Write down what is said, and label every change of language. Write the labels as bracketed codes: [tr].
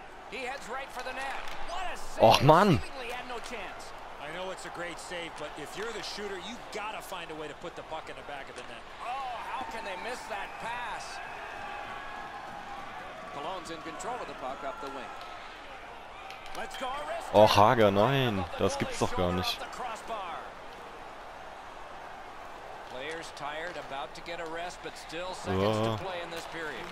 [en] He heads right for the net. What a save. [de] Och, Mann. [en] He had no chance. I know it's a great save, but if you're the shooter, you gotta find a way to put the puck in the back of the net. Oh, how can they miss that pass? Cologne's in control of the puck up the wing. Let's go, [de] oh, Hager, nein, das gibt's doch gar nicht. [en] Players tired, about to get a rest, but still seconds to play in this period.